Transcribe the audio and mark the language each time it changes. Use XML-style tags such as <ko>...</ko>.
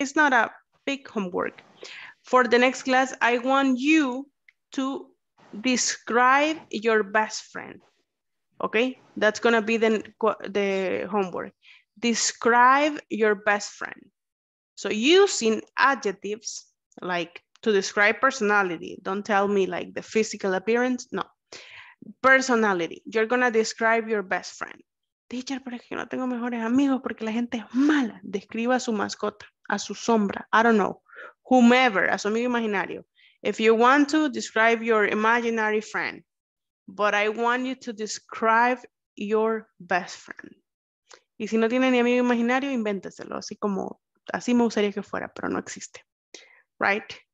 <en>It's not a big homework. For the next class, I want you to describe your best friend, okay? That's gonna be the homework. Describe your best friend. So using adjectives, like, to describe personality, don't tell me like the physical appearance, no. Personality, you're gonna describe your best friend.</en> <es>Teacher, pero es que no tengo mejores amigos porque la gente es mala. Describa a su mascota, a su sombra,</es> <en>I don't know. Whomever,</en> <es>a su amigo imaginario.</es> <en>If you want to describe your imaginary friend, but I want you to describe your best friend.</en> <es>Y si no tiene ni amigo imaginario, invéntaselo, así como, así me gustaría que fuera, pero no existe, right?</es>